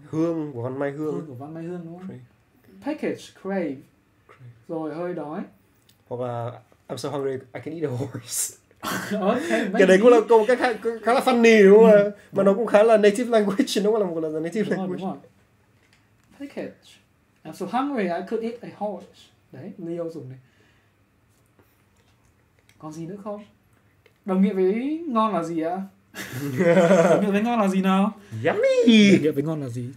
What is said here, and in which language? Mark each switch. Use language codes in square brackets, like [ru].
[vi] Hương, của Văn Mai Hương, của Văn Mai Hương đúng không, crave. Package, crave. Crave, rồi hơi đói, hoặc là [en] I'm so hungry, I can eat a horse. Okay, [vi] cái đấy cũng là câu cách khá là funny đúng không, mà nó cũng khá là native language, nó cũng là một là native đúng language. Rồi, đúng rồi. Package. [en] I'm so hungry, I could eat a horse. [vi] Đấy, Leo dùng này. Còn gì nữa không? Đồng nghĩa với ngon là gì ạ? Đồng nghĩa với ngon là gì nào? [en] Yummy! [vi] Đồng nghĩa với ngon là gì?